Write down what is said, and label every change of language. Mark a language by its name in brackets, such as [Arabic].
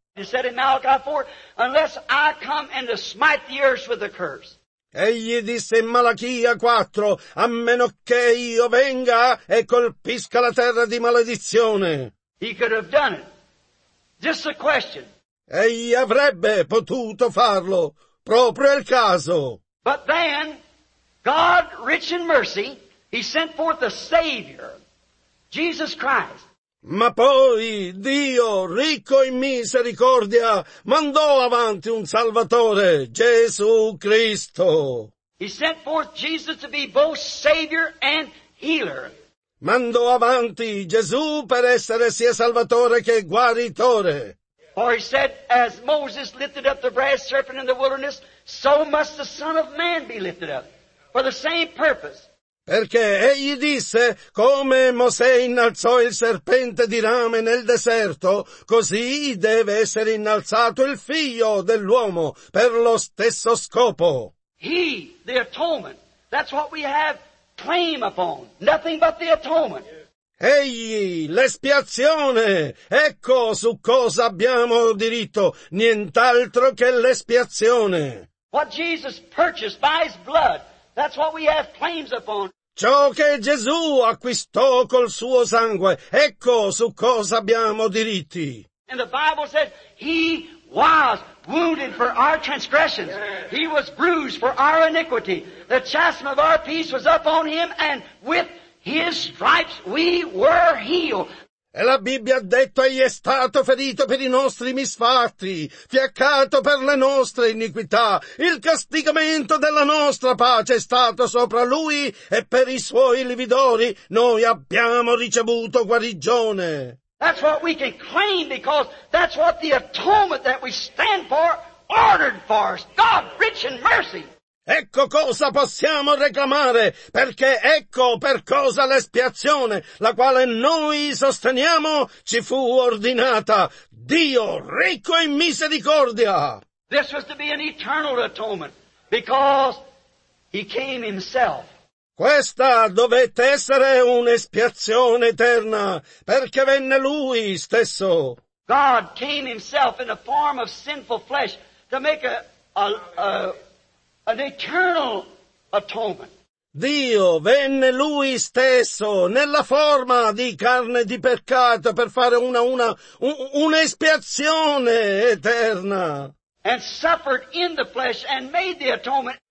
[English] He said in Malachi 4, unless I come and to smite the earth with a curse. [Italian] Egli disse in Malachia 4, a meno che io venga e colpisca la terra di maledizione. [English] He could have done it. Just a question. [Italian] Egli avrebbe potuto farlo, proprio il caso. [English] But then, God, rich in mercy, He sent forth a Savior, Jesus Christ. [Italian] Ma poi Dio, ricco in misericordia, mandò avanti un Salvatore, Gesù Cristo. [English] He sent forth Jesus to be both Savior and Healer. [Italian] Mandò avanti Gesù per essere sia Salvatore che Guaritore. [English] For He said, as Moses lifted up the brass serpent in the wilderness, so must the Son of Man be lifted up, for the same purpose. [Italian] Perché egli disse, come Mosè innalzò il serpente di rame nel deserto, così deve essere innalzato il figlio dell'uomo per lo stesso scopo. [English] He, the atonement, that's what we have claim upon, nothing but the atonement. [Italian] Egli, l'espiazione, ecco su cosa abbiamo diritto, nient'altro che l'espiazione. [English] What Jesus purchased by His blood, that's what we have claims upon. [Italian] Ciò che Gesù acquistò col suo sangue, ecco su cosa abbiamo diritti. [English] And the Bible says, He was wounded for our transgressions. He was bruised for our iniquity. The chastisement of our peace was upon Him, and with His stripes we were healed. [Italian] E la Bibbia ha detto, Egli è stato ferito per i nostri misfatti, fiaccato per le nostre iniquità. Il castigamento della nostra pace è stato sopra Lui, e per i Suoi lividori noi abbiamo ricevuto guarigione. [English] That's what we can claim, because that's what the atonement that we stand for ordered for us. God, rich in mercy. [Italian] Ecco cosa possiamo reclamare, perché ecco per cosa l'espiazione, la quale noi sosteniamo, ci fu ordinata. Dio, ricco in misericordia. [English] This was to be an eternal atonement, because He came Himself. [Italian] Questa dovette essere un'espiazione eterna, perché venne Lui stesso. [English] God came Himself in the form of sinful flesh to make an eternal atonement. [Italian] Dio venne Lui stesso nella forma di carne di peccato per fare un'espiazione eterna. [English] And suffered in the flesh and made the atonement.